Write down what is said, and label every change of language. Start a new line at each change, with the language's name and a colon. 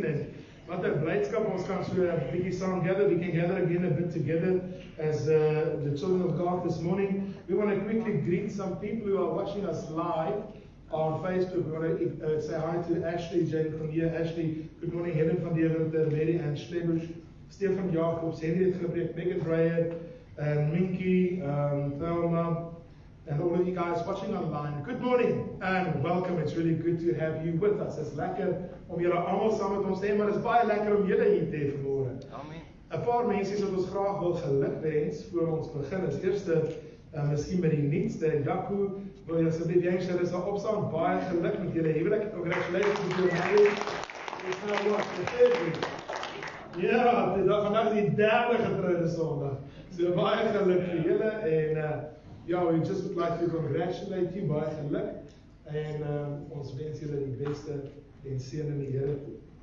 Afrikaans: Dis wat 'n blydskap ons kan so 'n bietjie saam gather.
English: We can gather again a bit together as the children of God this morning. We want to quickly greet some people who are watching us live on Facebook. We want to say hi to Ashley Jane from here. Ashley, good morning. Heerden van die winter, Mary and Schlebusch, Stefan Jacobs, Henry het gebreek, Megan Dreyer, Minky, Thelma, and all of you guys watching online. Good morning and welcome. It's really good to have you with us.
Afrikaans: It's lekker om julle almal saam met ons te hê, maar it's baie lekker om julle hier te hê vanmôre. Amen. 'N paar mensies wat ons graag wil gelukwens voor ons begin. Is eerste, miskien by die nuutste, Jaco, wil jy asseblief jy sê dis 'n opstaan, baie geluk met julle.
English: Heerlik. Congratulations to you all. It's now what the third week.
Afrikaans: Ja, dit is vandag die derde getroude Sondag. So baie geluk vir julle en ja,
English: we just would like to congratulate you,
Afrikaans: baie geluk en ons wens julle die beste en seën in die Here toe.